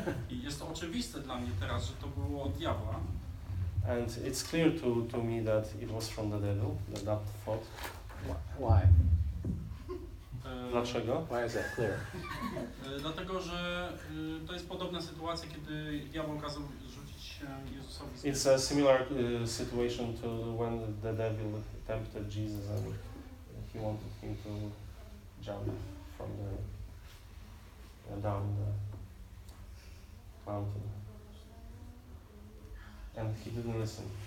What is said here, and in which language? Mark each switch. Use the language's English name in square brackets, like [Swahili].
[Polish] I jest to oczywiste dla mnie teraz, że to było od diabła. [English] And it's clear to me that it was from the devil, that thought. Why? [Polish] Dlaczego? [English] Why is that clear? [Polish] Dlatego, że to jest podobna sytuacja, kiedy diabeł kazał rzucić Jezusowi. [English] It's a similar situation to when the devil tempted Jesus and he wanted him to jump from the down the mountain, and he didn't listen.